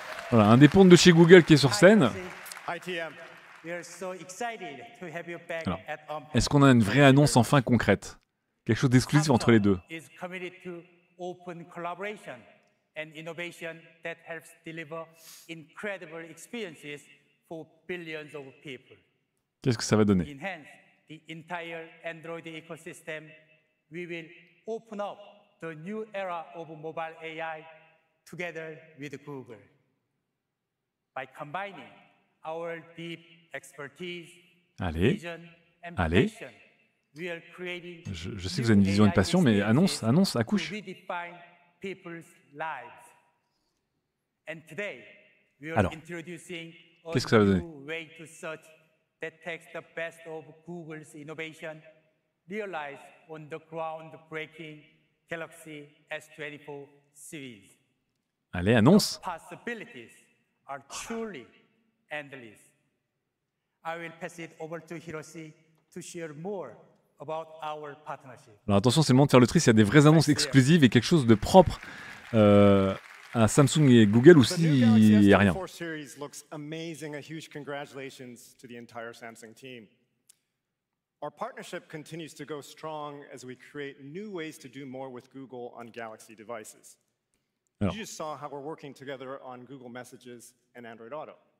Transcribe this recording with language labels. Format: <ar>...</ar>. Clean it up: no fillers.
<fr>Voilà, un des pontes de chez Google qui est sur scène.</fr> <en>Hi, TM. We are so excited to have you back.</en> <fr>Alors,</fr> <en>at Unpacked.</en> <fr>Est-ce qu'on a une vraie annonce enfin concrète? Quelque chose d'exclusif entre les deux?</fr> <en>Samsung is committed to open collaboration and innovation that helps deliver incredible experiences for billions of people.</en> <fr>Qu'est-ce que ça va donner?</fr> <en>Enhance the entire Android ecosystem. We will open up the new era of mobile AI together with Google. By combining our deep expertise, vision, and passion, we are creating.</en> <fr>Je sais que vous avez une vision et une passion, mais annonce, accouche.</fr> <en>We redefine people's lives. And today, we are</en> <fr>Alors,</fr> <en>introducing a</en> <fr>qu'est-ce que ça va donner?</fr> <en>New way to search that takes the best of Google's innovation. Realize on the groundbreaking Galaxy S24 series.</en> <fr>Allez, annonce.</fr> <en>The possibilities are truly endless. I will pass it over to Hiroshi to share more about our partnership.</en> <fr>Alors attention, c'est le moment de faire le tri. S'il y a des vraies annonces exclusives et quelque chose de propre à Samsung et Google, ou s'il n'y a rien.</fr> <en>The Galaxy S24 series looks amazing. A huge congratulations to the entire Samsung team. Our partnership continues to go strong as we create new ways to do more with Google on Galaxy devices.</en> <fr>Alors.</fr> <en>You just saw how we're working together on Google Messages and Android Auto.</en>